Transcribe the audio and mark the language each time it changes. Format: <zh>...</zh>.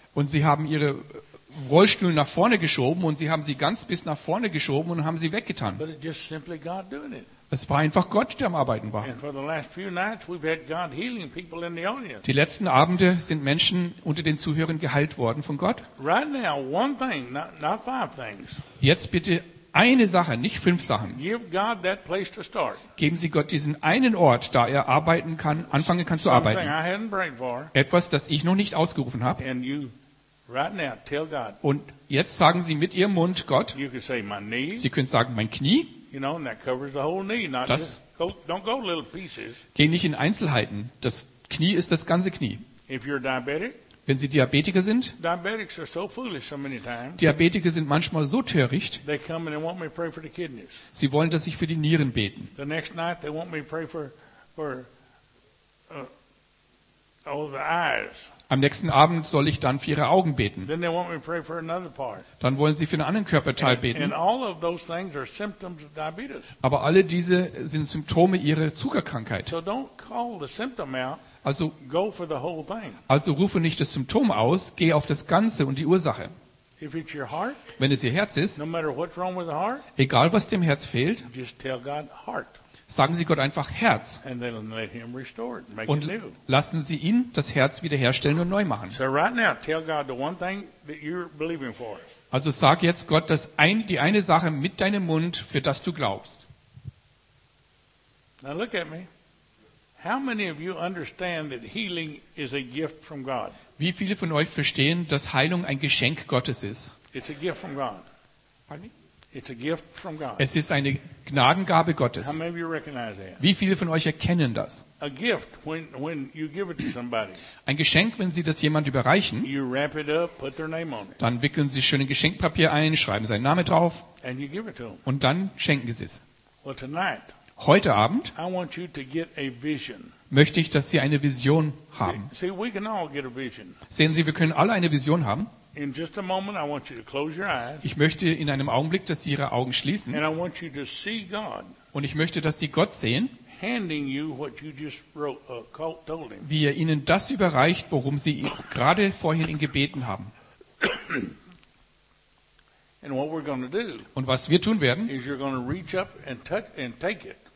<de>Und sie haben ihre Rollstühle nach vorne geschoben und sie haben sie ganz bis nach vorne geschoben und haben sie weggetan.</de> <en>But it just simply God doing it.</en> <de>Es war einfach Gott, der am Arbeiten war.</de> <en>And for the last few nights we've had God healing people in the audience.</en> <de>Die letzten Abende sind Menschen unter den Zuhörern geheilt worden von Gott.</de> <en>Right now, one thing, not five things.</en> <de>Jetzt bitte eine Sache, nicht fünf Sachen.</de> <en>Give God that place to start.</en> <de>Geben Sie Gott diesen einen Ort, da er arbeiten kann, anfangen kann zu arbeiten.</de> <en>Something I hadn't prayed for.</en> <de>Etwas, das ich noch nicht ausgerufen habe.</de> <en>And you right now, tell God.</en> <de>Und jetzt sagen Sie mit Ihrem Mund Gott.</de> <en>You can say my knee.</en> <de>Sie können sagen mein Knie.</de> <en>You know, and that covers the whole knee, not</en> <de>das</de> <en>just don't go little pieces.</en> <de>Geh nicht in Einzelheiten. Das Knie ist das ganze Knie.</de> <en>If you're diabetic.</en> <de>Wenn Sie Diabetiker sind.</de> <en>Diabetics are so foolish so many times.</en> <de>Diabetiker sind manchmal so töricht.</de> <en>They come and they want me to pray for the kidneys.</en> <de>Sie wollen, dass ich für die Nieren beten.</de> <en>The next night they want me to pray for all the eyes.</en> <de>Am nächsten Abend soll ich dann für ihre Augen beten.</de> <en>Then they want me to pray for another part.</en> <de>Dann wollen sie für einen anderen Körperteil beten.</de> <en>And all of those things are symptoms of diabetes.</en> <de>Aber alle diese sind Symptome ihrer Zuckerkrankheit.</de> <en>So don't call the symptom out.</en> <de>Also,</de> <en>go for the whole thing.</en> <de>Also rufe nicht das Symptom aus, geh auf das Ganze und die Ursache.</de> <en>If it's your heart,</en> <de>wenn es ihr Herz ist,</de> <en>no matter what's wrong with the heart,</en> <de>egal was dem Herz fehlt,</de> <en>just tell God, heart.</en> <de>Sagen Sie Gott einfach Herz</de> <en>and then let him restore it, make</en> <de>und</de> <en>it new.</en> <de>Lassen Sie ihn das Herz wiederherstellen und neu machen.</de> <en>So right now, tell God the one thing that you're believing for.</en> <de>Also sag jetzt Gott das die eine Sache mit deinem Mund, für das du glaubst.</de> <en>Now look at me. How many of you understand that healing is a gift from God?</en> <de>Wie viele von euch verstehen, dass Heilung ein Geschenk Gottes ist?</de> <en>It's a gift from God. Pardon me? It's a gift from God.</en> <de>Es ist eine Gnadengabe Gottes.</de> <en>How many of you recognize that?</en> <de>Wie viele von euch erkennen das?</de> <en>A gift when you give it to somebody.</en> <de>Ein Geschenk, wenn Sie das jemand überreichen.</de> <en>You wrap it up, put their name on it.</en> <de>Dann wickeln Sie schön ein Geschenkpapier ein, schreiben seinen Namen drauf.</de> <en>And you give it to them.</en> <de>Und dann schenken Sie es.</de> <en>Well, tonight.</en> <de>Heute Abend</de> <en>I want you to get a vision.</en> <de>Möchte ich, dass Sie eine Vision haben.</de> <en>See, we can all get a vision.</en> <de>Sehen Sie, wir können alle eine Vision haben.</de> <en>In just a moment, I want you to close your eyes.</en> <de>Ich möchte in einem Augenblick, dass Sie Ihre Augen schließen.</de> <en>And I want you to see God.</en> <de>Und ich möchte, dass Sie Gott sehen,</de> <en>handing you what you just wrote, told him.</en> <de>Wie er Ihnen das überreicht, worum Sie gerade vorhin ihn gebeten haben.</de> <en>And what we're gonna do,</en> <de>und was wir tun werden, ist,</de> <en>you're gonna reach up and touch and take it.</en>